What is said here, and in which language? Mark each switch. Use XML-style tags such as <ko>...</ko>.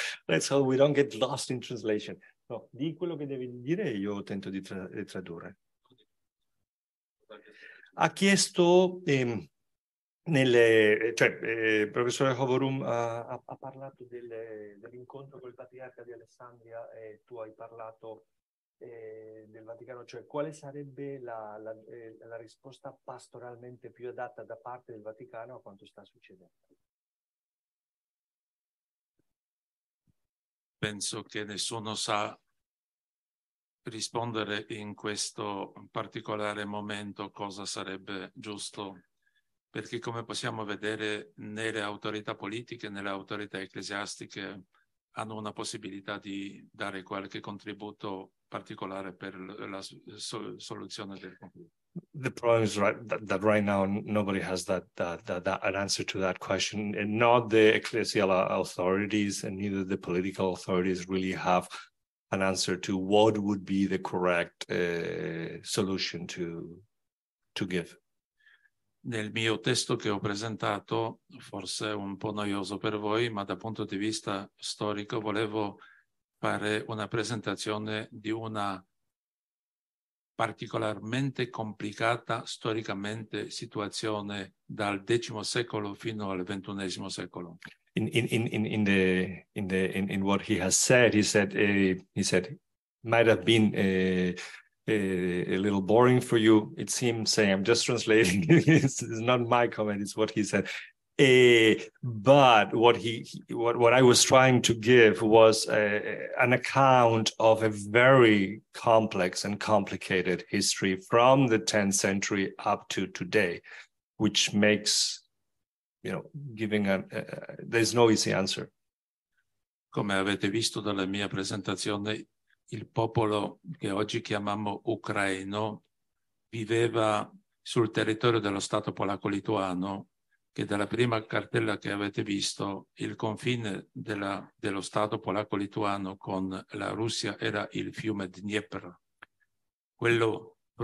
<en>Let's hope we don't get lost in translation.</en> <it>No, di quello che devi dire io tento di tradurre. Ha chiesto professore Hovorum ha parlato dell'incontro col patriarca di Alessandria e tu hai parlato del Vaticano, cioè quale sarebbe la risposta pastoralmente più adatta da parte del Vaticano a quanto sta succedendo? Penso che nessuno sa rispondere in questo particolare momento cosa sarebbe giusto, perché come possiamo vedere né le autorità politiche né le autorità ecclesiastiche hanno una possibilità di dare qualche contributo particolare per la soluzione del conflitto.</it> <en>The problem is that right now nobody has that an answer to that question, and not the ecclesial authorities and neither the political authorities really have an answer to what would be the correct solution to give.</en> <it>Nel mio testo che ho presentato, forse un po' noioso per voi, ma dal punto di vista storico, volevo fare una presentazione di una particolarmente complicata storicamente situazione dal X secolo fino al XXI secolo.</it> <en>In what he has said, he said might have been a little boring for you. It seems saying I'm just translating. it's not my comment. It's what he said. But what I was trying to give was an account of a very complex and complicated history from the 10th century up to today, which makes, you know, giving a there's no easy answer.</en> <it>Come avete visto dalla mia presentazione, il popolo che oggi chiamiamo ucraino viveva sul territorio dello stato polacco-lituano, che dalla prima cartella che avete visto il confine dello stato polacco-lituano con la Russia era il fiume Dnieper, quello</it>